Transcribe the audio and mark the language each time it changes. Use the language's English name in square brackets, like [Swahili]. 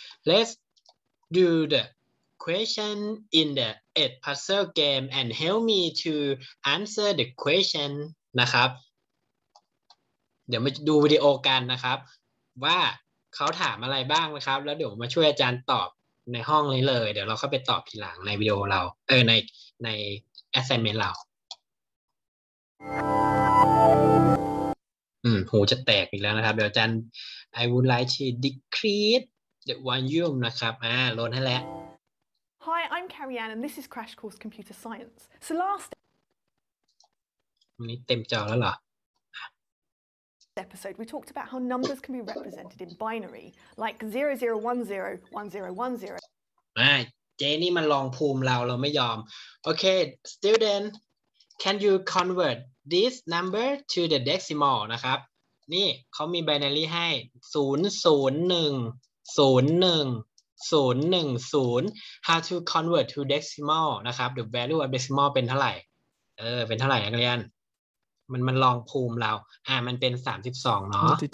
[English] let's do the question [Thai] in the Ed Puzzle game and help me to answer the question นะครับเดี๋ยวมาดูวิดีโอกันนะครับว่าเขาถามอะไรบ้างนะครับแล้วเดี๋ยวมาช่วยอาจารย์ตอบในห้องนี้เลยเดี๋ยวเราเข้าไปตอบทีหลังในวิดีโอเราใน assignment เรา หูจะแตกอีกแล้วนะครับเดี๋ยวอาจารย์ [English] I would like to decrease the volume [Thai] นะครับลดให้แล้ว [English] Hi I'm Carrie Ann and this is Crash Course Computer Science So last [Thai] นี่เต็มจอแล้วเหรอ [English] episode we talked about how numbers can be represented in binary like 0010 1010 [Thai] เจนี่มันลองภูมิเราไม่ยอมโอเค [English] student can you convert this number to the decimal [Thai] นะครับนี่เขามี binary ให้001 01 010 [English] how to convert to decimal [Thai] นะครับ [English] the value of decimal [Thai] เป็นเท่าไหร่นักเรียนมันลองภูมิเรามันเป็น32เนาะ